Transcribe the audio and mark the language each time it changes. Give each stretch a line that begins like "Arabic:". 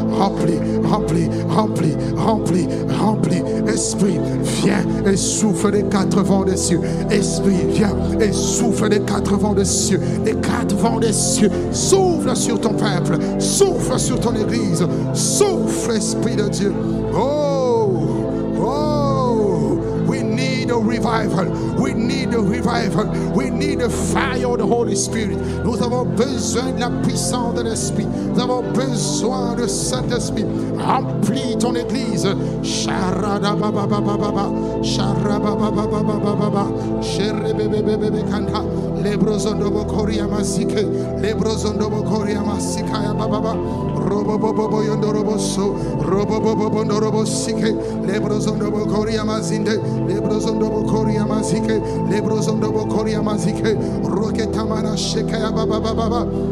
French: rempli, rempli, rempli, rempli, rempli, esprit, viens et souffle les quatre vents des cieux, esprit, viens et souffle les quatre vents des cieux, les quatre vents des cieux. Souffle sur ton peuple, souffle sur ton église, souffle, Esprit de Dieu.
English: Oh, oh, we need a revival, we need a revival, we need the fire of the Holy Spirit.
French: Nous avons besoin de la puissance de l'Esprit, nous avons besoin de Saint-Esprit. Remplis ton église. Sharada baba baba baba, sharaba baba baba baba baba, sherebe bebe bebe kanda. Lebrozondo bokoria masike, lebrozondo bokoria masika ya baba, robo bobo boyondo roboso, robo bobo bondo robosike, lebrozondo bokoria mazinde, lebrozondo bokoria masike, lebrozondo bokoria masike, roketamana sheka ya baba baba baba.